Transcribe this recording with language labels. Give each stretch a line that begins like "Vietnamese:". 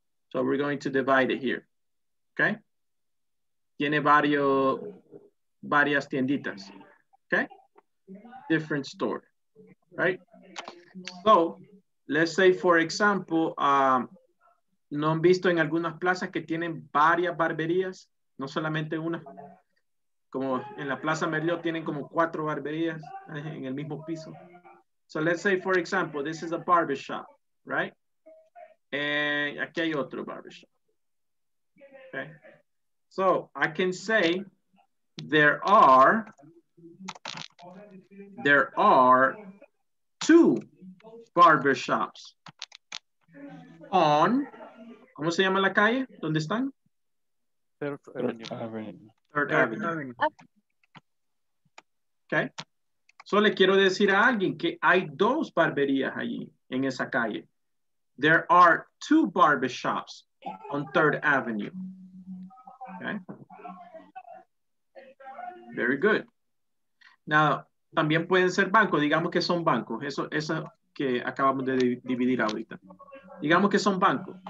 English: So, we're going to divide it here. Okay?
Spanish: Tiene varias tienditas.
English: Okay? Different store. Right? So, let's say, for example,
Spanish: ¿no han visto en algunas plazas que tienen varias barberías? No solamente una. Como en la Plaza Merlot tienen como cuatro barberías en el mismo piso.
English: So let's say, for example, this is a barbershop, right? And
Spanish: aquí hay otro
English: barbershop. Okay. So I can say there are there are two barber shops on,
Spanish: ¿cómo se llama la calle? ¿Dónde están?
English: Third Avenue. Ok.
Spanish: Solo le quiero decir a alguien que hay dos barberías allí en esa calle.
English: There are two barber shops on Third Avenue. Okay. Very good. Now,
Spanish: también pueden ser bancos. Digamos que son bancos. Eso que acabamos de dividir ahorita. Digamos que son bancos.